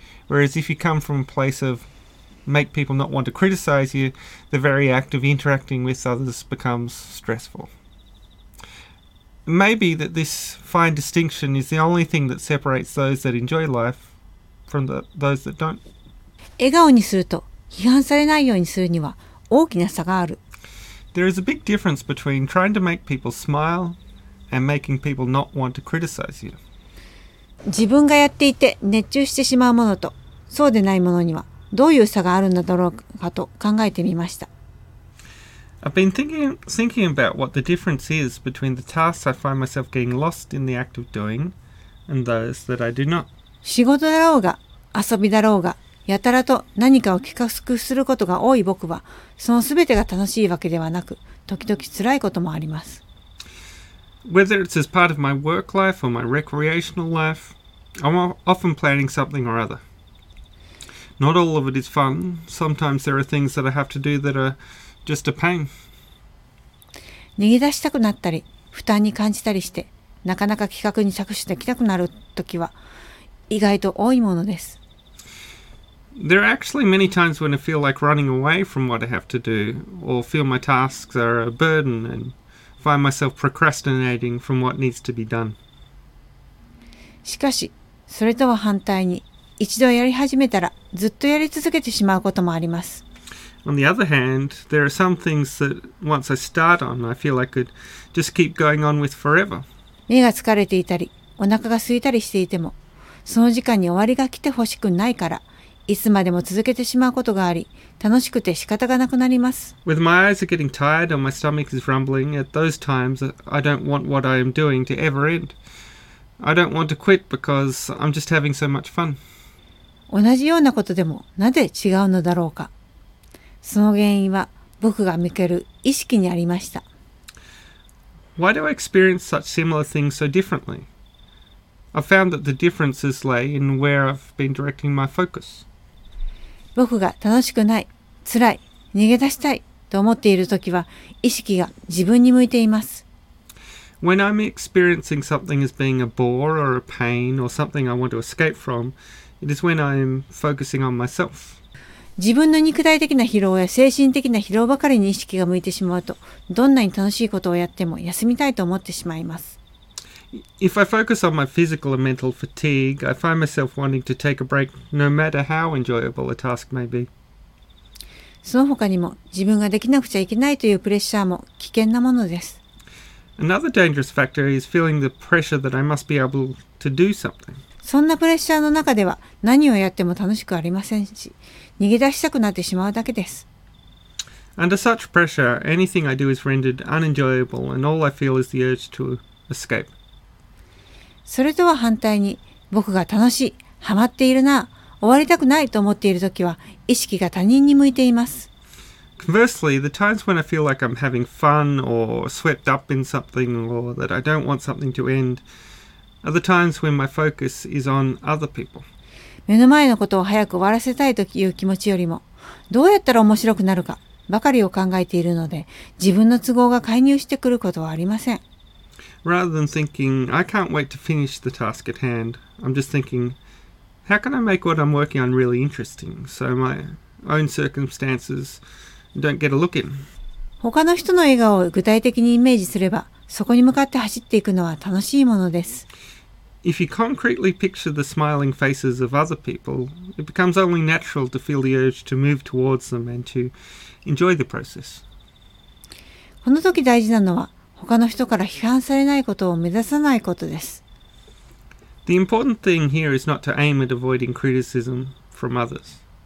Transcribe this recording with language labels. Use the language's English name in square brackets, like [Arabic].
[English] Whereas if you come from a place of make people not want to criticize you, the very act of interacting with others becomes stressful. It may be that this fine distinction is the only thing that separates those that enjoy life from those that don't. [Japanese] 笑顔にすると批判されないようにするには大きな差がある。 [English] There is a big difference between trying to make people smile and making people not want to criticize you. [Japanese] 自分がやっていて熱中してしまうものとそうでないものにはどういう差があるのだろうかと考えてみました。 [English] I've been thinking about what the difference is between the tasks I find myself getting lost in the act of doing and those that I do not. [Japanese] 仕事だろうが遊びだろうがやたらと何かを企画することが多い僕はそのすべてが楽しいわけではなく時々辛いこともあります。 [English] Whether it's as part of my work life or my recreational life, I'm often planning something or other. Not all of it is fun. Sometimes there are things that I have to do that are just a pain. [Japanese] 逃げ出したくなったり、負担に感じたりして、なかなか企画に着手できなくなる時は意外と多いものです。 [English] There are actually many times when I feel like running away from what I have to do, or feel my tasks are a burden andfind myself procrastinating from what needs to be done. [Japanese] しかし、それとは反対に、一度やり始めたら、ずっとやり続けてしまうこともあります。 [English] On the other hand, there are some things that once I start on, I feel I could just keep going on with forever. [Japanese] 目が疲れていたり、お腹が空いたりしていても、その時間に終わりが来てほしくないから、いつまでも続けてしまうことがあり、楽しくて仕方がなくなります。 [English] With my eyes are getting tired or my stomach is rumbling, at those times I don't want what I am doing to ever end. I don't want to quit because I'm just having so much fun. [Japanese] 同じようなことでもなぜ違うのだろうか。その原因は僕が向ける意識にありました。 [English] Why do I experience such similar things so differently? I found that the differences lay in where I've been directing my focus. [Japanese] 僕が楽しくない、辛い、逃げ出したいと思っているときは、意識が自分に向いています。 [English] When I'm experiencing something as being a bore or a pain or something I want to escape from, it is when I'm focusing on myself. [Japanese] 自分の肉体的な疲労や精神的な疲労ばかりに意識が向いてしまうと、どんなに楽しいことをやっても休みたいと思ってしまいます。 [English] If I focus on my physical and mental fatigue, I find myself wanting to take a break no matter how enjoyable a task may be. [Japanese] その他にも、自分ができなくちゃいけないというプレッシャーも危険なものです。 [English] Another dangerous factor is feeling the pressure that I must be able to do something. [Japanese] そんなプレッシャーの中では、何をやっても楽しくありませんし、逃げ出したくなってしまうだけです。 [English] Under such pressure, anything I do is rendered unenjoyable, and all I feel is the urge to escape. [Japanese] それとは反対に、僕が楽しい、ハマっているな、終わりたくないと思っているときは、意識が他人に向いています。 [English] Conversely, the times when I feel like I'm having fun or swept up in something or that I don't want something to end are the times when my focus is on other people. [Japanese] 目の前のことを早く終わらせたいという気持ちよりも、どうやったら面白くなるかばかりを考えているので、自分の都合が介入してくることはありません。 [English] Rather than thinking, I can't wait to finish the task at hand, I'm just thinking, how can I make what I'm working on really interesting so my own circumstances don't get a look in? [Japanese] 他の人の笑顔を具体的にイメージすれば、そこに向かって走っていくのは楽しいものです。 [English] If you concretely picture the smiling faces of other people, it becomes only natural to feel the urge to move towards them and to enjoy the process. [Japanese] この時大事なのは、他の人から批判されないことを目指さないことです。 [English] The important thing here is not to aim at avoiding criticism from others.